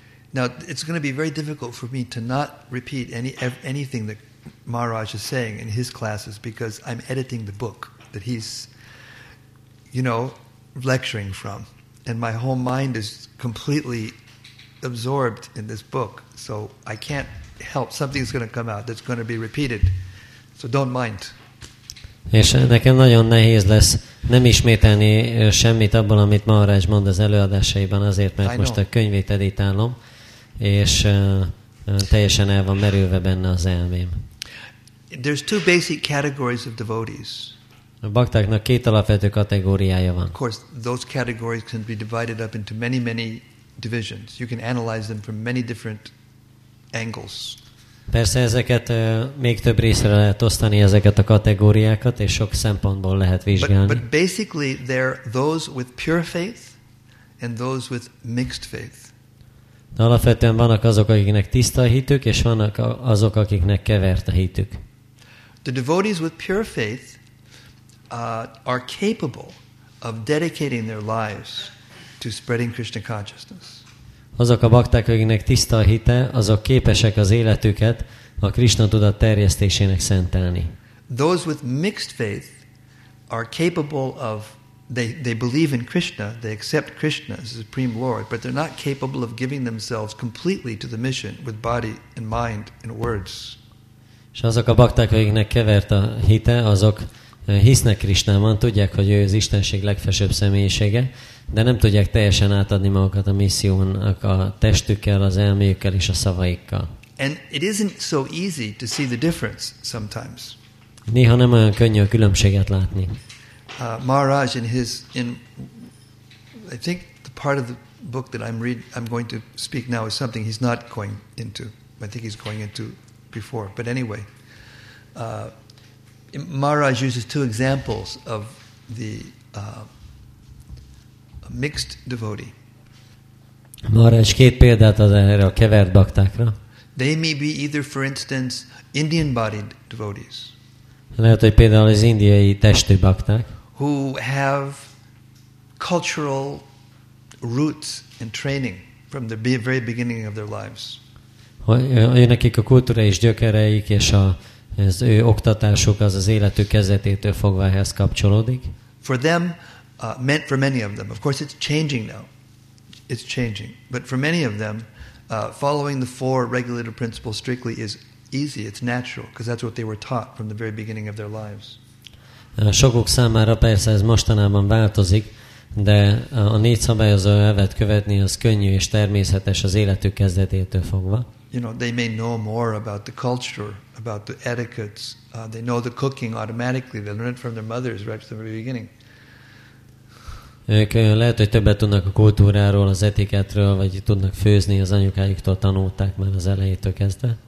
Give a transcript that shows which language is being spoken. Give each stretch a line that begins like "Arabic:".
English: Now it's going to be very difficult for me to not repeat anything that Maharaj is saying in his classes because I'm editing the book that he's, you know, lecturing from, and my whole mind is completely absorbed in this book, so I can't help. Something's going to come out that's going to be repeated, so don't mind.
Hungarian: És nekem nagyon nehéz lesz nem ismételni semmit abból, amit Maharaj mond az előadásaiban, azért mert most a könyvét editálom, és teljesen el van merülve benne az elmém.
English: There's two basic categories of devotees.
Hungarian: A baktáknak két alapvető kategóriája van.
English: Of course, those categories can be divided up into many, many divisions. You can analyze them from many different angles.
Hungarian: Persze ezeket még több részre lehet osztani, ezeket a kategóriákat, és sok szempontból lehet vizsgálni.
English: But basically, they're those with pure faith and those with mixed faith.
Hungarian: De alapvetően vannak azok, akiknek tiszta a hitük, és vannak azok, akiknek kevert a hitük.
English: The devotees with pure faith are capable of dedicating their lives to spreading Krishna consciousness.
Hungarian: Azok a bakták, akiknek tiszta a hite, azok képesek az életüket a Krishna tudat terjesztésének szentelni.
English: Those with mixed faith are capable of they believe in Krishna, they accept Krishna as the supreme Lord, but they're not capable of giving themselves completely to the mission with body and mind and words.
Hungarian: És azok a bakták, akiknek kevert a hite, azok hisznek Krisnában, tudják, hogy ő az Istenség legfelsőbb személyisége, de nem tudják teljesen átadni magukat a missziónak a testükkel, az elméjükkel és a szavaikkal.
English: And it isn't so easy to see the difference sometimes.
Hungarian: Néha nem olyan könnyű a különbséget látni.
English: Maharaj in I think the part of the book that I'm going to speak now is something he's not going into. I think he's going into before, but anyway. Maharaj uses two examples of the a mixed devotee.
Hungarian: Maharaj két példát az erre a kevert baktákra.
English: They may be either, for instance, Indian-bodied devotees.
Hungarian: Lehet, hogy például az indiai testű bakták.
English: Who have cultural roots and training from the very beginning of their lives.
Hungarian: Nekik a kultúra és gyökereik és az ő oktatásuk az az életük kezdetétől fogva ehhez kapcsolódik.
English: For them, meant for many of them. Of course, it's changing now. It's changing. But for many of them, following the four regulative principles strictly is easy. It's natural because that's what they were taught from the very beginning of their lives.
Hungarian: Sokuk számára persze ez mostanában változik, de a négy szabályozó elvet követni az könnyű és természetes az életük kezdetétől fogva.
English: You know, they may know more about the culture, about the etiquettes. They know the cooking automatically. They learn it from their mothers right from the very beginning.
Hungarian: Ők lehet, hogy többet tudnak a kultúráról, az etiketről, vagy tudnak főzni, az anyukáiktól tanulták már az elejétől kezdve.